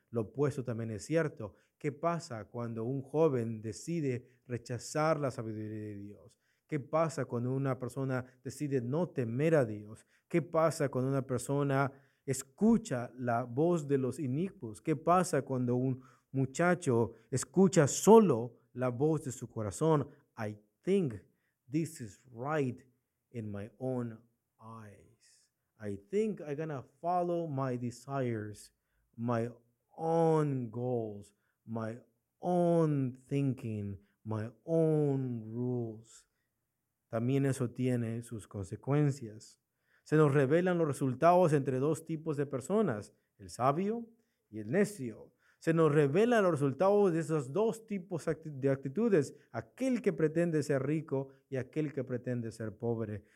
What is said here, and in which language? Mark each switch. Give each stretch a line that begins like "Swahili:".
Spanish: Lo opuesto también es cierto. ¿Qué pasa cuando un joven decide rechazar la sabiduría de Dios? ¿Qué pasa cuando una persona decide no temer a Dios? ¿Qué pasa cuando una persona escucha la voz de los inicuos? ¿Qué pasa cuando un muchacho escucha solo la voz de su corazón?
English: I think this is right in my own eyes. I think I'm gonna follow my desires, my own goals, my own thinking, my own rules.
Spanish: También eso tiene sus consecuencias. Se nos revelan los resultados entre dos tipos de personas, el sabio y el necio. Se nos revelan los resultados de esos dos tipos de actitudes, aquel que pretende ser rico y aquel que pretende ser pobre.